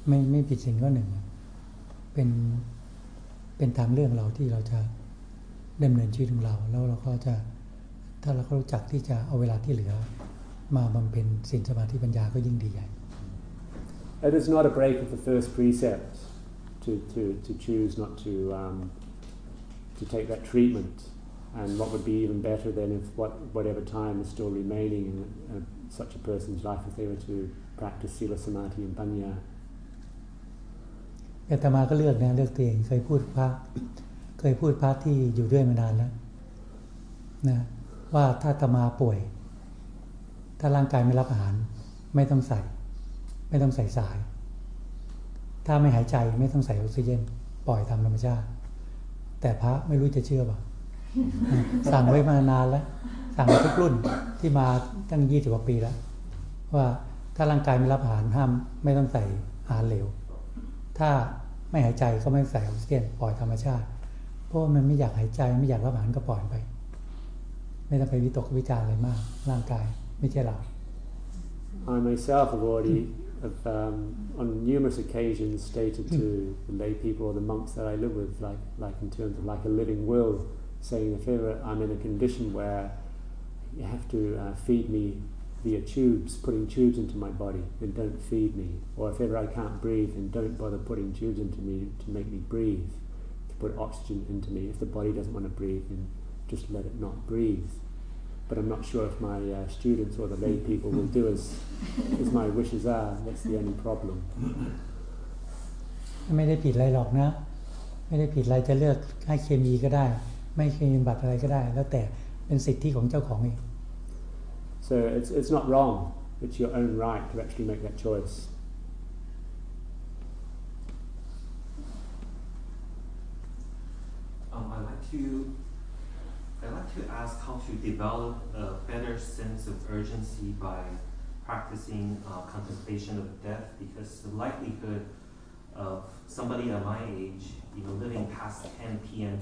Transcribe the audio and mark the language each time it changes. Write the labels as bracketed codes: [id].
[th] ไม่ผิดศีลข้อหนึ่งเป็นตามเรื่องเราที่เราจะดำเนินชีวิตของเราแล้วเราก็จะถ้าเรารู้จักที่จะเอาเวลาที่เหลือมาบำเพ็ญศีลสมาธิปัญญาก็ยิ่งดีใหญ่ [en] It is not a break of the first precept to choose not to to take that treatment. And what would be even better than if whatever time is still remaining in such a person's life if they were to practice Sila Samadhi and Panya. [th] อาตมาก็เลือกนะเลือกตัวเองเคยพูดพระที่อยู่ด้วยมานานแล้วนะว่าถ้าอาตมาป่วยถ้าร่างกายไม่รับอาหารไม่ต้องใส่สายถ้าไม่หายใจไม่ต้องใส่ออกซิเจนปล่อยตามธรรมชาติแต่พระไม่รู้จะเชื่อป่ะ สั่งไว้มานานแล้วสั่งทุกรุ่นที่มาตั้ง20กว่าปีแล้วว่าถ้าร่างกายไม่รับอาหารห้ามไม่ต้องใส่อาหารเหลวถ้าไม่หายใจก็ไม่ใส่ออกซิเจนปล่อยธรรมชาติเพราะมันไม่อยากหายใจไม่อยากรับอาหารก็ปล่อยไปไม่ต้องไปวิตกวิจารอะไรมากร่างกายไม่ใช่เรา [en] I myself have already have, on numerous occasions stated to the lay people or the monks that I live with like in terms of like a living will saying if ever I'm in a condition where you have to feed me via tubes, putting tubes into my body, then don't feed me. Or if ever I can't breathe, then don't bother putting tubes into me to make me breathe, to put oxygen into me. If the body doesn't want to breathe, then just let it not breathe. But I'm not sure if my students or the lay people will do as my wishes are. That's the only problem. [th] ไม่ได้ผิดอะไรหรอกนะไม่ได้ผิดอะไรจะเลือกให้เคมีก็ได้ไม่เคมีบัตรอะไรก็ได้แล้วแต่เป็นสิทธิของเจ้าของเอง [en] So it's not wrong. It's your own right to actually make that choice. I'd like to ask how to develop a better sense of urgency by practicing contemplation of death, because the likelihood of somebody at my age, you know, living past 10 p.m.